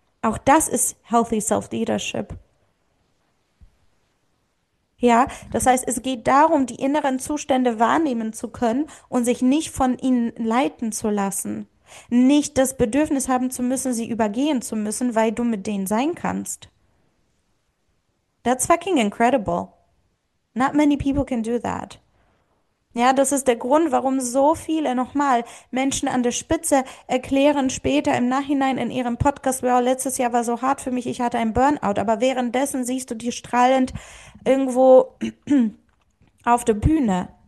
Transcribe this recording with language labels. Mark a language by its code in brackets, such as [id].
[de] Auch das ist Healthy Self-Leadership. Ja, das heißt, es geht darum, die inneren Zustände wahrnehmen zu können und sich nicht von ihnen leiten zu lassen. Nicht das Bedürfnis haben zu müssen, sie übergehen zu müssen, weil du mit denen sein kannst. [en] That's fucking incredible. Not many people can do that. [de] Ja, das ist der Grund, warum so viele nochmal Menschen an der Spitze erklären später im Nachhinein in ihrem Podcast, wow, letztes Jahr war so hart für mich, ich hatte ein Burnout, aber währenddessen siehst du die strahlend irgendwo auf der Bühne.